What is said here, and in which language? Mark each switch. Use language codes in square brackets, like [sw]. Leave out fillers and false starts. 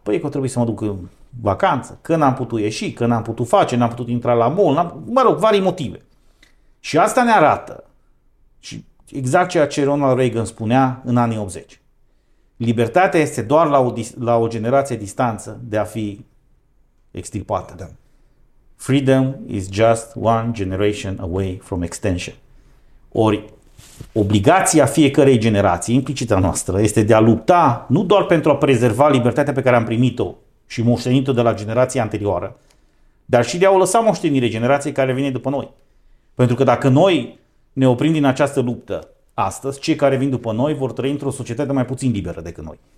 [ro] Păi că trebuie să mă duc în vacanță, că n-am putut ieși, că n-am putut face, n-am putut intra la mall, varii motive. Și asta ne arată, și exact ceea ce Ronald Reagan spunea în anii 80. Libertatea este doar la o generație distanță de a fi extirpată. Da. [en] Freedom is just one generation away from extinction. [ro] Ori obligația fiecărei generații, implicita noastră, este de a lupta nu doar pentru a prezerva libertatea pe care am primit-o și moștenit-o de la generația anterioară, dar și de a o lăsa moștenire generației care vine după noi. Pentru că dacă noi ne oprim din această luptă astăzi, cei care vin după noi vor trăi într-o societate mai puțin liberă decât noi.